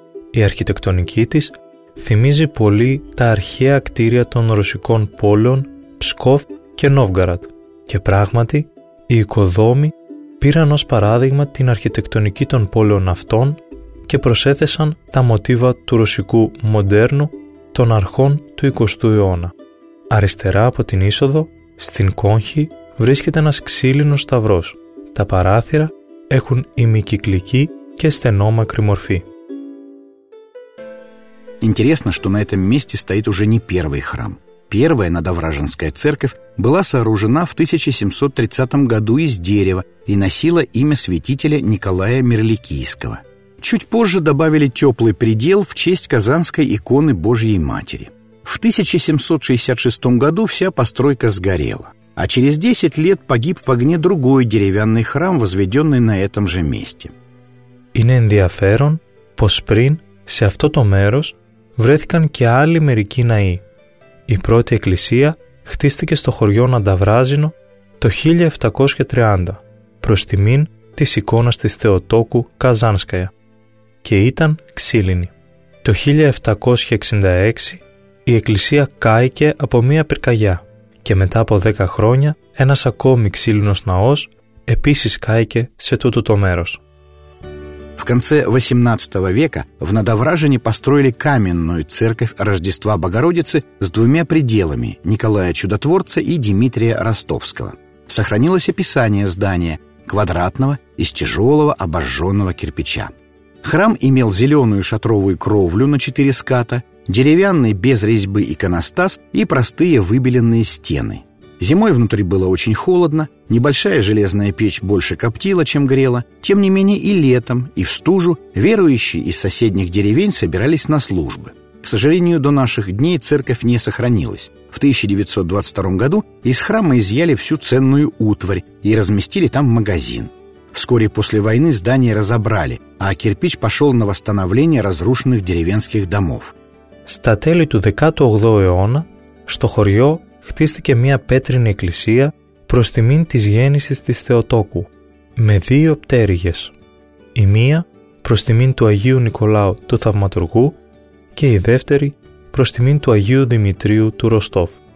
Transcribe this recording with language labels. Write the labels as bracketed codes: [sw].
[el] Η αρχιτεκτονική της θυμίζει πολύ τα αρχαία κτίρια των ρωσικών πόλεων Ψκόφ και Νόβγκαραντ και πράγματι οι οικοδόμοι πήραν ως παράδειγμα την αρχιτεκτονική των πόλεων αυτών και προσέθεσαν τα μοτίβα του ρωσικού μοντέρνου των αρχών του 20ου αιώνα. Αριστερά από την είσοδο, στην κόγχη, βρίσκεται ένας ξύλινος σταυρός. Τα παράθυρα έχουν ημικυκλική και στενόμακρη μορφή. [ru] Интересно, что на этом месте стоит уже не первый храм. Первая Надовраженская церковь была сооружена в 1730 году из дерева и носила имя святителя Николая Мирликийского. Чуть позже добавили теплый предел в честь Казанской иконы Божьей Матери. В 1766 году вся постройка сгорела, а через 10 лет погиб в огне другой деревянный храм, возведенный на этом же месте. [el] Είναι ενδιαφέρον πως πριν σε αυτό το μέρος βρέθηκαν και άλλοι μερικοί ναοί. Η πρώτη εκκλησία χτίστηκε στο χωριό Νανταβράζινο το 1730 προς τιμήν της εικόνας της Θεοτόκου Καζάνσκαια και ήταν ξύλινη. Το 1766 η εκκλησία κάηκε από μία πυρκαγιά και μετά από 10 χρόνια ένας ακόμη ξύλινος ναός επίσης κάηκε σε τούτο το μέρος. [ru] В конце XVIII века в Надовражине построили каменную церковь Рождества Богородицы с двумя пределами – Николая Чудотворца и Дмитрия Ростовского. Сохранилось описание здания – квадратного, из тяжелого обожженного кирпича. Храм имел зеленую шатровую кровлю на 4 ската, деревянный без резьбы иконостас и простые выбеленные стены. Зимой внутри было очень холодно, небольшая железная печь больше коптила, чем грела. Тем не менее и летом, и в стужу верующие из соседних деревень собирались на службы. К сожалению, до наших дней церковь не сохранилась. В 1922 году из храма изъяли всю ценную утварь и разместили там магазин. Вскоре после войны здание разобрали, а кирпич пошел на восстановление разрушенных деревенских домов. [el] Στα τέλη του 18ου αιώνα, στο χωριό χτίστηκε μία πέτρινη εκκλησία προς τιμήν της γέννησης της Θεοτόκου με δύο πτέρυγες. Η μία προς τιμήν του Αγίου Νικολάου του Θαυματουργού και η δεύτερη προς τιμήν του Αγίου Δημητρίου του Ροστόφ.